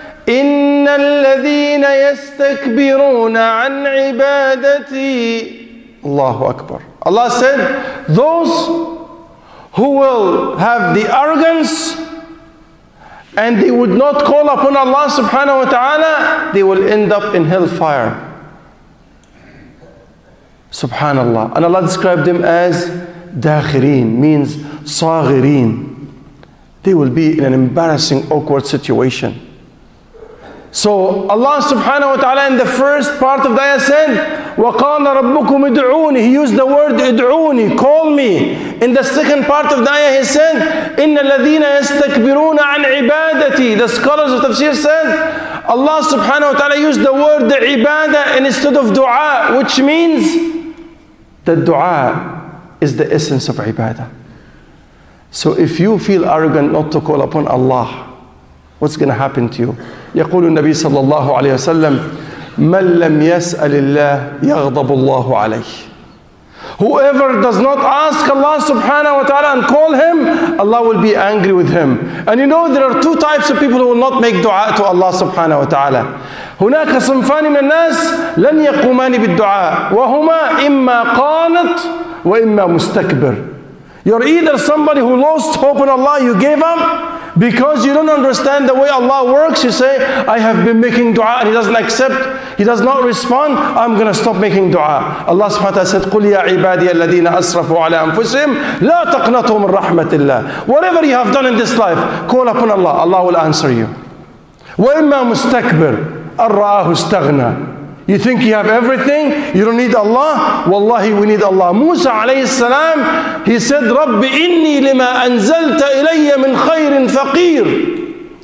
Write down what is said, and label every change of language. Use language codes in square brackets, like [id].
[ar] إن الذين يستكبرون عن عبادتي. الله أكبر. [en] Allah said, those who will have the arrogance and they would not call upon Allah subhanahu wa ta'ala, they will end up in hellfire. Subhanallah. And Allah described them as dakhirin, means saghirin. They will be in an embarrassing, awkward situation. So Allah subhanahu wa ta'ala in the first part of the ayah said, [ar] وَقَالَ رَبُّكُمْ اِدْعُونِ. [en] He used the word اِدْعُونِ, call me. In the second part of the ayah he said, [ar] إِنَّ الَّذِينَ يَسْتَكْبِرُونَ عَنْ عِبَادَتِي. [en] The scholars of tafsir said, Allah subhanahu wa ta'ala used the word ibadah instead of dua, which means that dua is the essence of ibadah. So if you feel arrogant not to call upon Allah, what's going to happen to you? [ar] يقول النبي صلى الله عليه وسلم, من لم يسأل الله يغضب الله عليه. [en] Whoever does not ask Allah subhanahu wa ta'ala and call him, Allah will be angry with him. And you know there are two types of people who will not make dua to Allah subhanahu wa ta'ala. [ar] هناك صنفان من الناس لن يقومان بالدعاء وهما إما قانط وإما مستكبر. [en] You're either somebody who lost hope in Allah, you gave up, because you don't understand the way Allah works. You say, I have been making dua and he doesn't accept, he does not respond, I'm going to stop making dua. Allah subhanahu wa ta'ala said, [ar] قُلْ يَا عِبَادِيَ الَّذِينَ أَسْرَفُوا عَلَىٰ أَنفُسِهِمْ لَا تَقْنَطُوا مِنْ رَحْمَةِ اللَّهِ. [en] Whatever you have done in this life, call upon Allah, Allah will answer you. [ar] وَإِمَّا مُسْتَكْبِرْ أَرَّاهُ اسْتَغْنَى. [en] You think you have everything, you don't need Allah? Wallahi, we need Allah. [ar] Musa alayhi salam, [en] he said, [ar] Rabbi inni lima anzalta ilayya min khayrin faqir.